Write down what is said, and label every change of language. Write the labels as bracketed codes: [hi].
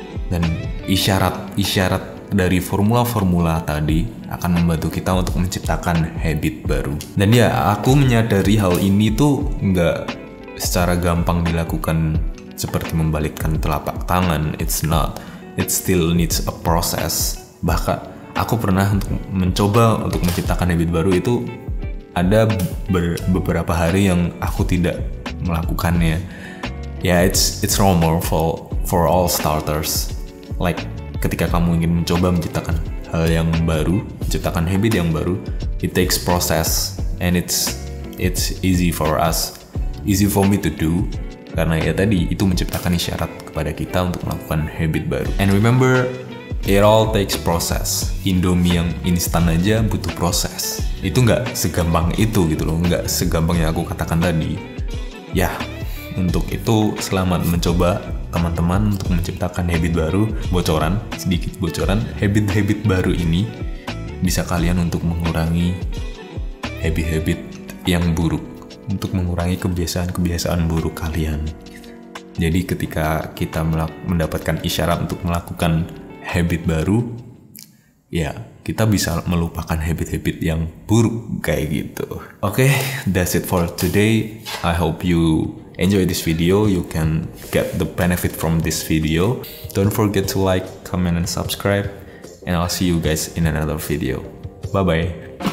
[id] Dan isyarat-isyarat dari formula-formula tadi akan membantu kita untuk menciptakan habit baru. Dan ya, aku menyadari hal ini tuh nggak secara gampang dilakukan seperti membalikkan telapak tangan. [en] It's not. It still needs a process. [id] Bahkan aku pernah untuk mencoba untuk menciptakan habit baru itu ada beberapa hari yang aku tidak melakukannya. [en] Ya, yeah, it's normal for all starters. [id] Like, ketika kamu ingin mencoba menciptakan hal yang baru, menciptakan habit yang baru, [en] it takes process and it's easy for us, easy for me to do, [id] karena ya tadi itu menciptakan isyarat kepada kita untuk melakukan habit baru. [en] And remember, it all takes process. [id] Indomie yang instan aja butuh proses. Itu nggak segampang itu gitu loh, nggak segampang yang aku katakan tadi. Ya, untuk itu selamat mencoba teman-teman untuk menciptakan habit baru. Bocoran, sedikit bocoran, habit-habit baru ini bisa kalian untuk mengurangi habit-habit yang buruk, untuk mengurangi kebiasaan-kebiasaan buruk kalian. Jadi ketika kita mendapatkan isyarat untuk melakukan habit baru, ya kita bisa melupakan habit-habit yang buruk kayak gitu. [en] Oke, that's it for today. I hope you enjoy this video, you can get the benefit from this video. Don't forget to like, comment, and subscribe. And I'll see you guys in another video. Bye-bye.